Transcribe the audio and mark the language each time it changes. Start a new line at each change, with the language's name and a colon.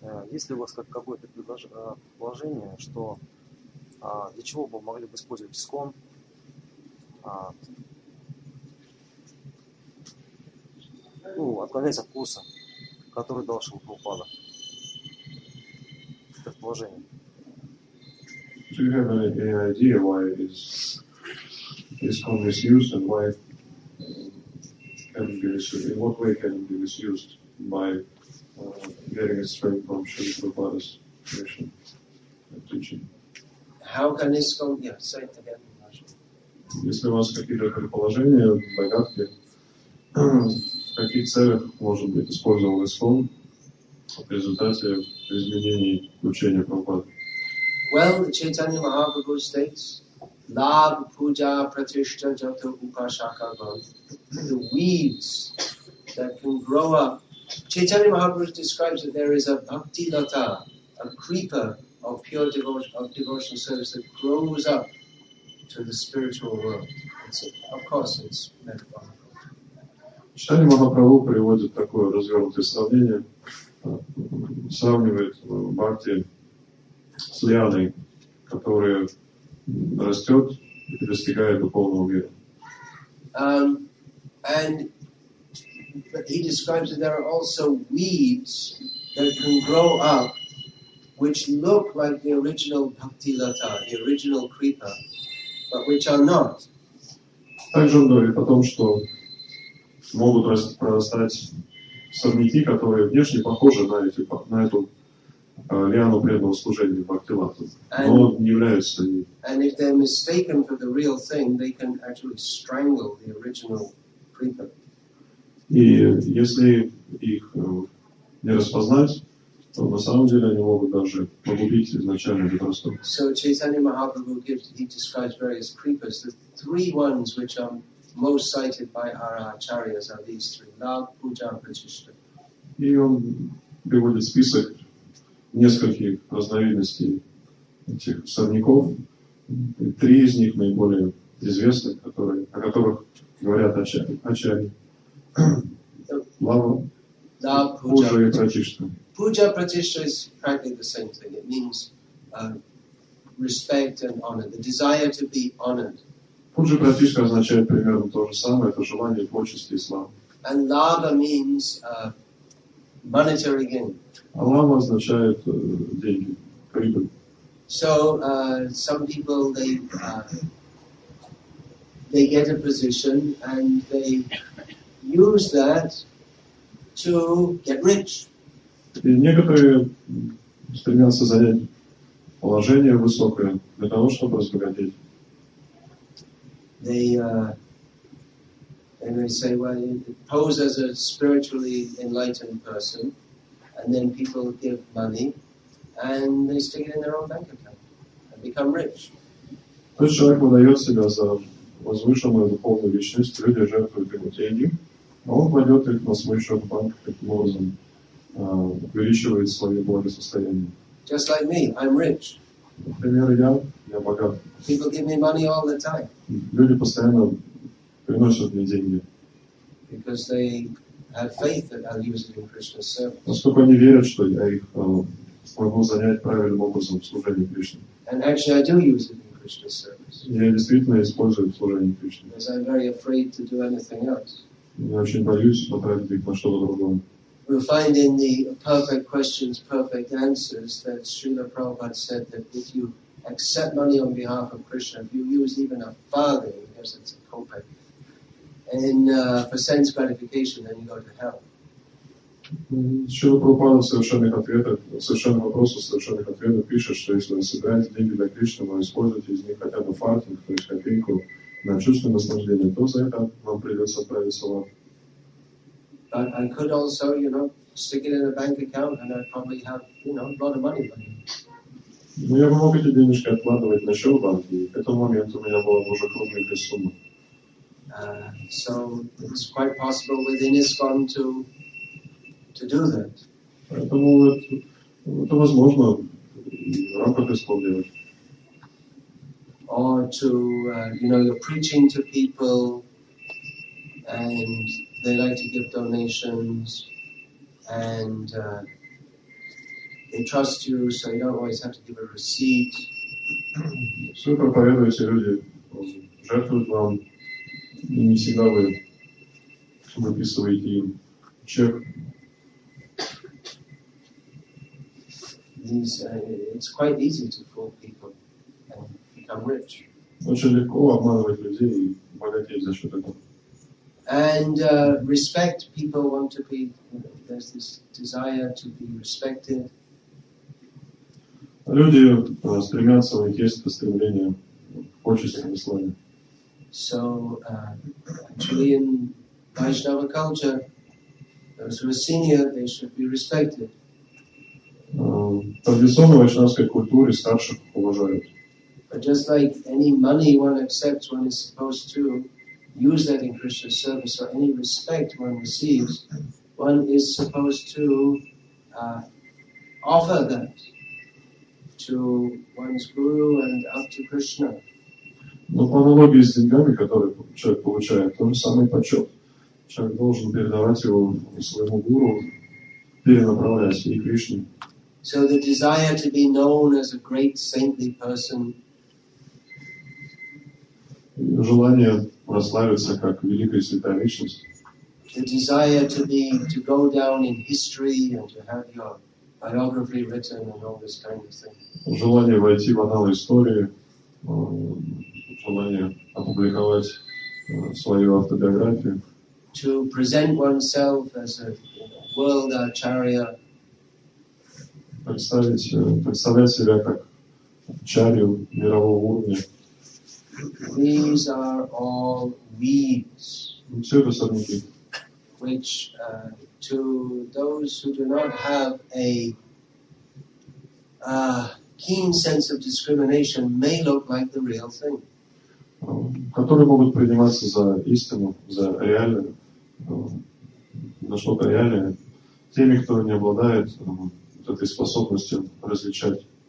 Russian: Есть ли у вас какое-то предложение, что для чего бы могли бы использовать ИСККОН? Ну, отклоняясь от курса, который дал Шилупада. Предположение.
English: Do you have any idea why ИСККОН is used and why can be misused? In what way can it be misused by getting it straight from Shilupada's mission and teaching? How can ISKCON, yeah, say it again in Russian.
Russian: Если у вас какие-то предположения, догадки, в каких целях может быть использован ИСККОН в результате изменений учения Прабхупады?
English: Well, Chaitanya Mahaprabhu states,
Sanskrit: Lab Puja Pratishtha Jato Upashaka Bhav.
English: The weeds that can grow up. Chaitanya Mahaprabhu describes that there is a bhakti lata, a creeper of pure devotional service that grows up to the spiritual world. It's, of course, it's metaphorical.
Russian: Читание Махапрабху приводит такое развернутое сравнение, сравнивает Бхакти с лианой, которая растет и достигает духовного мира.
English: And he describes that there are also weeds that can grow up which look like the original Bhakti Lata, the original creeper, but which are not.
Russian: Также он говорит о том, что могут прорастать сорняки, которые внешне похожи на, эти, на эту лиану преданного служения Бхактилату, но не являются они.
English: And if they're mistaken for the real thing, they can actually strangle the original creeper.
Russian: И если их не распознать, то на самом деле они могут даже погубить изначально эту растущую.
English: So Chaitanya Mahaprabhu describes various creepers. The three ones which are most cited by our acharyas are these three: love, puja, pratishtha.
Russian: И он приводит список нескольких разновидностей этих сорняков. И три из них наиболее известны, которые, о которых говорят ачарьи.
English: Love,
Russian: puja и pratishtha.
English: Puja pratishtha is practically the same thing. It means respect and honor, the desire to be honored.
Russian: Puja pratishtha означает примерно то же самое, это желание почести и славы.
English: And lava means monetary gain.
Russian: А лава означает деньги, прибыль.
English: So some people they get a position and they use that to get rich.
Russian: И некоторые стремятся занять положение высокое для того, чтобы разбогатеть.
English: They say, well, you pose as a spiritually enlightened person, and then people give money, and they stick it in their own bank account and become rich.
Russian: То есть человек выдает себя за возвышенную духовную личность, люди жертвуют ему деньги, а он кладет их на свой счет в банк таким образом. Увеличивает свое благосостояние.
English: Just like me, I'm rich.
Russian: Например, я богат.
English: People give me money all the time.
Russian: Люди постоянно приносят мне деньги.
English: Because they have faith that I'll use it in Krishna's service.
Russian: Поскольку они верят, что я их смогу занять правильным образом в служении Кришне.
English: And actually, I do use it in Krishna's service.
Russian: Я действительно использую в служении Кришне.
English: Because I'm very afraid to do anything else.
Russian: Я очень боюсь потратить их на что-то другое.
English: We'll find in the perfect questions, perfect answers that Srila Prabhupada said that if you accept money on behalf of Krishna, if you use even a farthing, because it's a kopeck, and for sense gratification, then you go to hell.
Russian: Srila Prabhupada совершенных вопросов, совершенных ответов пишет, что если вы собираете деньги для Кришны, вы используете из них хотя бы фартинг, то есть копейку на чувственное наслаждение, то за это вам придется отправиться в ад.
English: I could also, you know, stick it in a bank account and I'd probably have, you know, a lot of money.
Russian: Ну, я бы мог эти денежки откладывать на счет в банке, и к этому моменту у меня была бы уже крупная сумма.
English: So it's quite possible within ISKCON to do that.
Russian: Поэтому это возможно в рамках ISKCON делать.
English: Or to, you know, you're preaching to people and they like to give donations, and they trust you, so you don't always have to give a receipt.
Russian: Все проповедуют, если люди жертвуют вам, и не всегда вы выписываете им чек.
English: It's quite easy to fool people and become rich.
Russian: Очень легко обманывать людей и богатеть за счет этого.
English: And respect, people want to be, you know, there's this desire to be respected.
Russian: Люди стремятся, у них есть это стремление к почести и славе.
English: So, actually in Vaishnava culture, those who are senior, they should be respected.
Russian: Традиционно в вайшнавской культуре старших уважают.
English: But just like any money one accepts, one is supposed to use that in Krishna's service, or any respect one receives, one is supposed to offer that to one's guru and up to Krishna.
Russian: Но по аналогии с деньгами, которые человек получает, то же самое почет. человек должен передавать его своему гуру, перенаправлять и Кришне.
English: So the desire to be known as a great saintly person.
Russian: Желание прославиться как великая святая личность.
English: The desire to be to go down in history and to have your biography written and all this kind of thing.
Russian: Желание войти в аналы истории, желание опубликовать свою автобиографию.
English: To present oneself as a world acharya.
Russian: Представлять себя как чарью мирового уровня.
English: These are all weeds.
Russian: Все это сорняки.
English: Which to those who do not have a keen sense of discrimination may look like the real thing.
Russian: Которые могут приниматься за истину, за реальное, за что-то реальное, теми, кто не обладает этой способностью различать